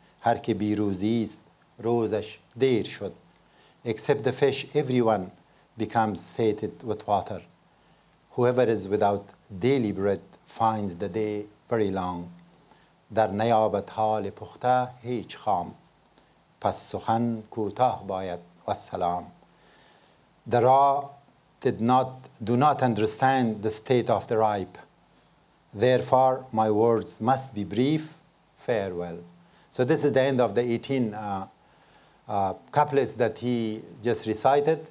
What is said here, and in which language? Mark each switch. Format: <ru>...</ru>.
<fa>هر که بیروزی است روزش دیر شد.</fa> <en>Except the fish, everyone becomes sated with water. Whoever is without daily bread finds the day very long.</en> <fa>در نیابت حال پخته هیچ خام. پس سخن کوتاه باید و سلام.</fa> <en>در Do not understand the state of the ripe. Therefore, my words must be brief. Farewell. So this is the end of the 18 couplets that he just recited.</en>